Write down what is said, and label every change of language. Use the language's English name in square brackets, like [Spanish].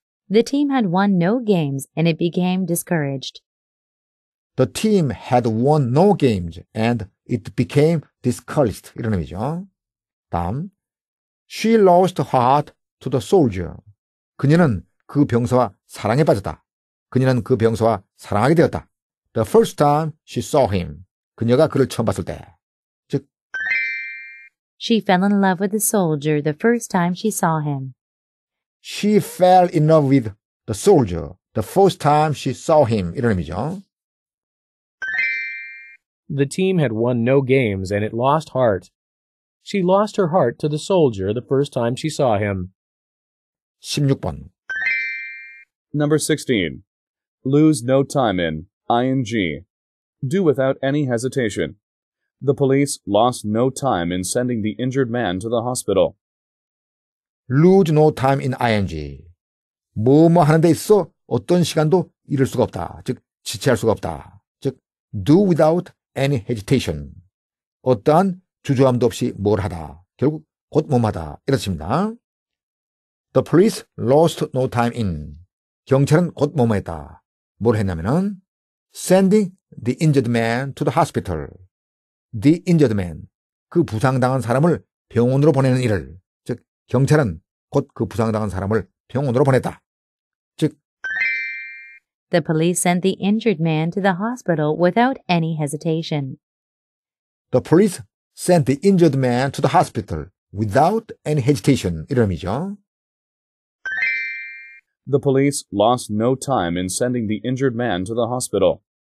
[English] The team had won no games and it became discouraged. The team had won no games and it became discouraged. [Korean] 이런 의미죠. [English] 다음 She lost her heart to the soldier. [Korean] 그녀는 그 병사와 사랑에 빠졌다. 그녀는 그 병사와 사랑하게 되었다. [English] The first time she saw him. [Korean] 그녀가 그를 처음 봤을 때. 즉, [English] She fell in love with the soldier the first time she saw him. She fell in love with the soldier the first time she saw him. [Korean] 이런 의미죠. [English] The team had won no games and it lost heart. She lost her heart to the soldier the first time she saw him. [Korean] 16번. [English] Number 16. Lose no time in, ing. Do without any hesitation. The police lost no time in sending the injured man to the hospital. Lose no time in, ing. [Korean] 뭐뭐 하는 데 있어 어떤 시간도 잃을 수가 없다. 즉, 지체할 수가 없다. 즉, [English] do without any hesitation. [Korean] 어떠한 주저함도 없이 뭘 하다. 결국 곧 몸하다. 이렇습니다. [English] The police lost no time in. [Korean] 경찰은 곧 몸했다. 뭘 했냐면은 [English] sending the injured man to the hospital. The injured man. [Korean] 그 부상당한 사람을 병원으로 보내는 일을. 즉 경찰은 곧 그 부상당한 사람을 병원으로 보냈다. 즉 [English] The police sent the injured man to the hospital without any hesitation. The police sent the injured man to the hospital without any hesitation. [Korean] 이런 의미죠. [English] The police lost no time in sending the injured man to the hospital.